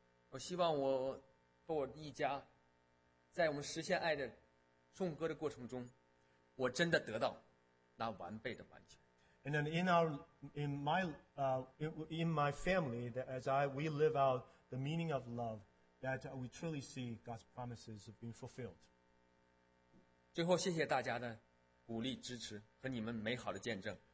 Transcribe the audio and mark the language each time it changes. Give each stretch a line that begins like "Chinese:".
Chinese: 我希望我和我一家在我们实现爱的颂歌的过程中我真的得到那完备的完全
English: And then in my family, that as we live out the meaning of love, that we truly see God's promises being fulfilled.
Chinese: 最后，谢谢大家的鼓励、支持和你们美好的见证。